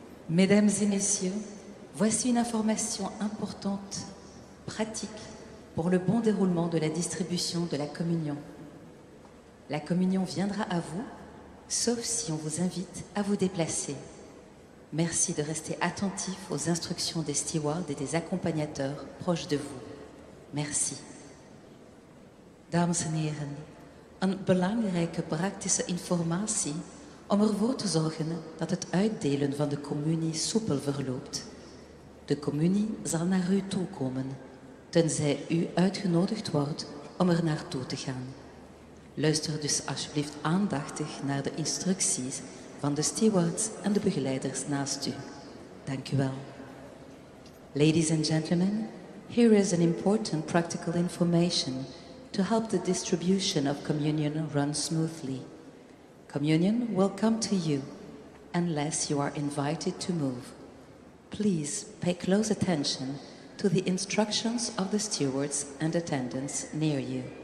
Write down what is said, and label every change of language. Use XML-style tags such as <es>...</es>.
<fr>Mesdames et messieurs, voici une information importante, pratique, pour le bon déroulement de la distribution de la communion. La communion viendra à vous, sauf si on vous invite à vous déplacer. Merci de rester attentif aux instructions des stewards et des accompagnateurs proches de vous. Merci.</fr> <nl>Dames en heren, een belangrijke praktische informatie om ervoor te zorgen dat het uitdelen van de communie soepel verloopt. De communie zal naar u toe komen, tenzij u uitgenodigd wordt om er naartoe te gaan. Luister dus alsjeblieft aandachtig naar de instructies van de stewards en de begeleiders naast u. Dank u wel.</nl> <en>Ladies and gentlemen, here is an important practical information to help the distribution of communion run smoothly. Communion will come to you unless you are invited to move. Please pay close attention to the instructions of the stewards and attendants near you.</en>